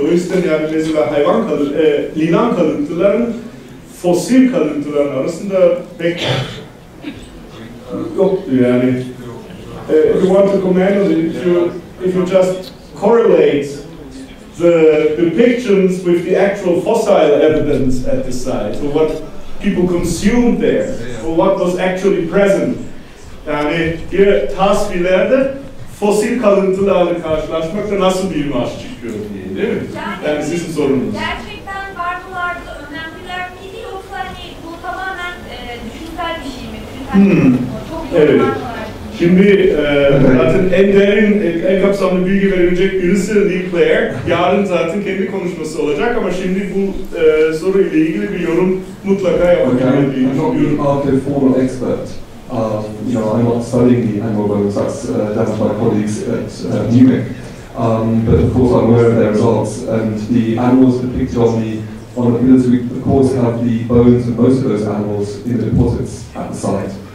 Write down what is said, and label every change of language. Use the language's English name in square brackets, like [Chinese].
[Turkish] O yüzden yani mesela yılan kalıntılarının fosil kalıntılarının arasında pek yoktu yani. [English] If you want to comment on it, if you just correlate the depictions with the actual fossil evidence at the site, so what people consumed there, or what was actually present. [Turkish] Yani bir tasvirlerde fosil kalıntılarla karşılaşmakta nasıl bir imaj çıkıyor diye, değil mi? Yani sizin sorunuz. Gerçekten var bunlarda önemliler miydi, yoksa hani bu tamamen düşünsel bir şey mi? Evet. Şimdi zaten en derin, en kapsamlı bilgi verebilecek birisi Lee Clare. Yarın zaten kendi konuşması olacak ama şimdi bu soru ile ilgili bir yorum mutlaka yapacağım. [English] Yani, I'm not being out a formal expert. You know, I'm not studying the animal bones. That's done by colleagues at Munich. But of course, I'm aware of their results. And the animals depicted on the pillars, we of course have the bones of most of those animals in the deposits at the site.